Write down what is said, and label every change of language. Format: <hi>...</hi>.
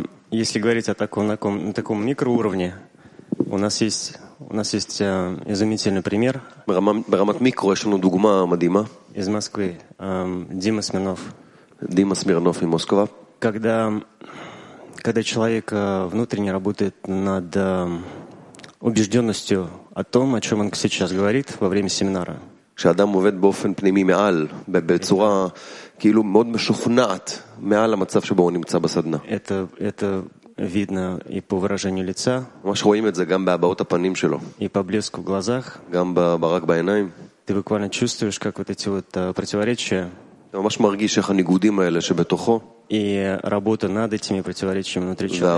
<ru>Если говорить о таком микроуровне, у нас есть изумительный пример.</ru> <he>ברמת מיקרו יש לנו דוגמה מדהימה.</he> <ru>Из Москвы. Дима Смирнов. Дима Смирнов из Москвы. Когда человек внутренне работает над убежденностью о том, о чем он сейчас говорит во время семинара.</ru> <he>כשאדם עובד באופן פנימי מעל, בצורה כאילו מאוד משוכנעת, מעל המצב שבו הוא נמצא בסדנה.</he> <ru>Это видно и по выражению лица.</ru> <he>ממש רואים את זה גם בהבעות הפנים שלו.</he> <ru>И по блеску в глазах.</ru> <he>גם ברק בעיניים.</he> <ru>Ты буквально чувствуешь, как вот эти вот противоречия.</ru> <he>אתה ממש מרגיש איך הניגודים האלה שבתוכו.</he> <ru>И работа над этими противоречиями внутри человека.</ru>